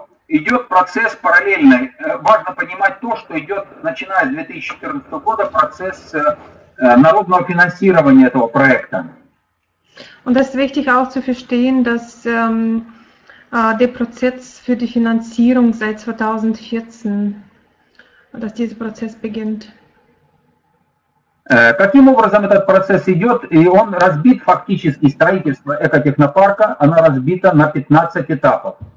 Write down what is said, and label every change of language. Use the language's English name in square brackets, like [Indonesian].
[Russian] Идет процесс параллельный. Важно понимать то, что идет, начиная с 2014 года, процесс народного финансирования этого проекта. [German] Und das ist wichtig auch zu verstehen, dass der Prozess für die Finanzierung seit 2014, dass dieser Prozess beginnt. [Russian] Каким образом этот процесс идет? И он разбит фактически, строительство экотехнопарка, оно разбито на 15 этапов.